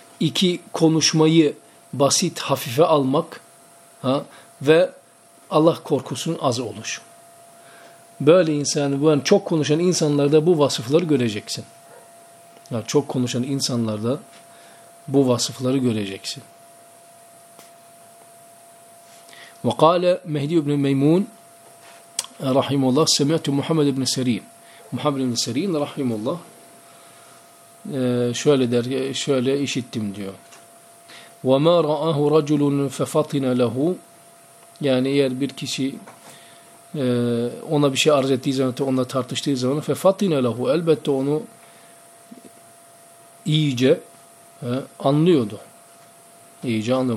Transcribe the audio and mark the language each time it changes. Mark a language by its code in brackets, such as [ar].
[tr] İki konuşmayı basit hafife almak. Ve Allah korkusunun az oluşu. Böyle insanı, yani çok konuşan insanlarda bu vasıfları göreceksin. Yani çok konuşan insanlarda bu vasıfları göreceksin. [ar] وقال مهدي بن ميمون رحمه الله سمعت محمد بن سيرين. محمد بن سيرين رحمه الله [tr] şöyle der, şöyle işittim diyor. [ar] وَمَا رَأَهُ رَجُلٌ فَفَطِنَ لَهُ. [tr] Yani eğer bir kişi ona bir şey arz ettiği zaman, onunla tartıştığı zaman [ar] فَفَطِنَ لَهُ, [tr] elbette onu iyice anlıyordu. İyice anlıyor.